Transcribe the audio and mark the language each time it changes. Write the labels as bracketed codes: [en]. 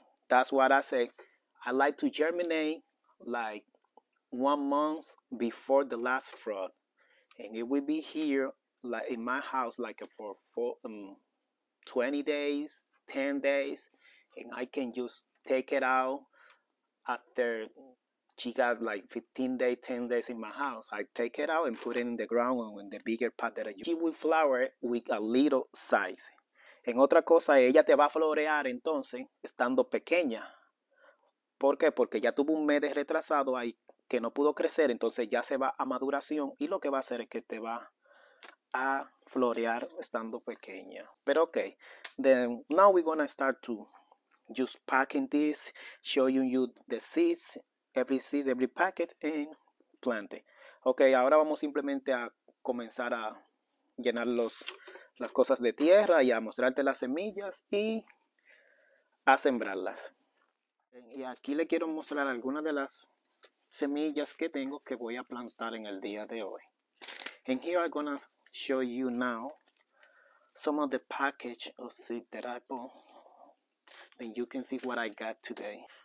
[en] That's what I say. I like to germinate like 1 month before the last frost, and it will be here like in my house like for 20 days, 10 days, and I can just take it out after she got like 15 days, 10 days in my house. I take it out and put it in the ground in the bigger pot that I use. She will flower with a little size. [es] En otra cosa, ella te va a florear entonces estando pequeña. ¿Por qué? Porque ya tuvo 1 mes de retrasado ahí, que no pudo crecer, entonces ya se va a maduración y lo que va a hacer es que te va a florear estando pequeña. [en] Pero ok, then now we're gonna start to just packing this, showing you the seeds, every packet and plant it. [es] Ok, ahora vamos simplemente a comenzar a llenar las cosas de tierra y a mostrarte las semillas y a sembrarlas. Y aquí le quiero mostrar algunas de las semillas que tengo que voy a plantar en el día de hoy. [en] And here I'm gonna show you now some of the package of seed that I bought. Then you can see what I got today.